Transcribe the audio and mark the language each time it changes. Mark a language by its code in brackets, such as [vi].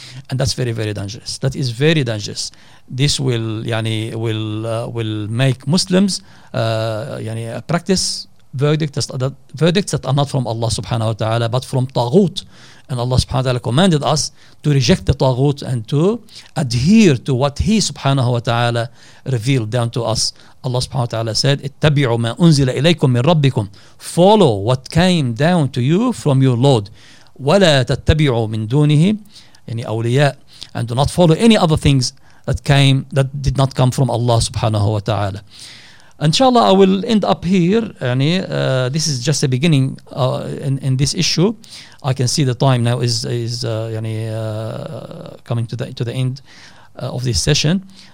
[en] And that's very, very dangerous. That is very dangerous. This will make Muslims practice verdicts that are not from Allah subhanahu wa ta'ala, but from Taghut. And Allah subhanahu wa ta'ala commanded us to reject the Taghut and to adhere to what He subhanahu wa ta'ala revealed down to us. [ar] Allah subhanahu wa ta'ala said, اتَّبِعُوا مَا أُنزِلَ إِلَيْكُم مِّن رَبِّكُمْ. [en] Follow what came down to you from your Lord. [ar] وَلَا تَتَّبِعُوا مِن دُونِهِ يعني أولياء. [en] And do not follow any other things that did not come from Allah subhanahu wa ta'ala. Inshallah, I will end up here. This is just the beginning in this issue. I can see the time now is coming to the end of this session.